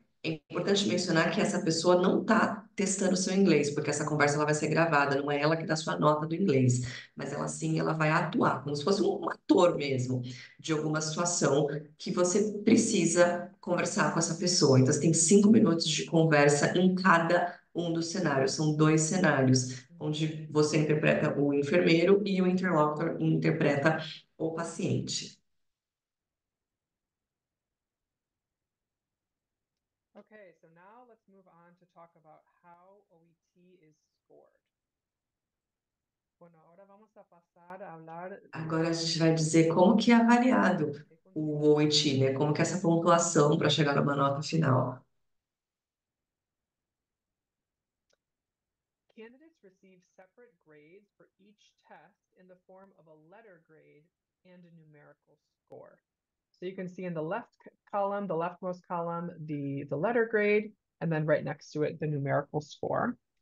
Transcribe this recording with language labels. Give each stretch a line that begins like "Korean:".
Portuguese: É importante mencionar que essa pessoa não está testando o seu inglês, porque essa conversa ela vai ser gravada, não é ela que dá sua nota do inglês, mas ela sim, ela vai atuar, como se fosse um ator mesmo, de alguma situação que você precisa conversar com essa pessoa. Então, você tem 5 minutos de conversa em cada um dos cenários. São dois cenários, onde você interpreta o enfermeiro e o interlocutor interpreta o paciente.
English: Okay, so now let's move on to talk about how OET is scored.
Spanish: Bueno, ahora vamos a pasar a hablar.
Portuguese: Agora a gente vai dizer como que é avaliado o OET, né? Como que é essa pontuação para chegar numa nota final.
English: Candidates receive separate grades for each test in the form of a letter grade and a numerical score. So you can see in the left column, the leftmost column, the letter grade, and then right next to it, the numerical score.